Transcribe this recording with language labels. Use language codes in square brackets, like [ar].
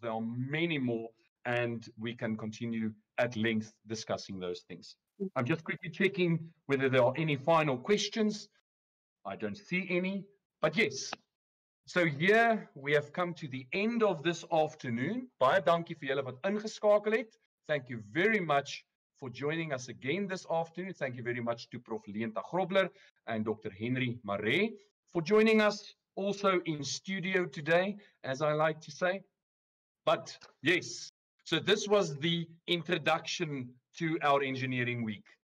[en] There are many more, and we can continue at length discussing those things. I'm just quickly checking whether there are any final questions. I don't see any, but yes. So here we have come to the end of this afternoon. [af] Baie dankie vir julle wat ingeskakel het. [en] Thank you very much for joining us again this afternoon. Thank you very much to Prof. Leenta Grobler and Dr. Henri Marais for joining us also in studio today, as I like to say. But yes, so this was the introduction to our engineering week.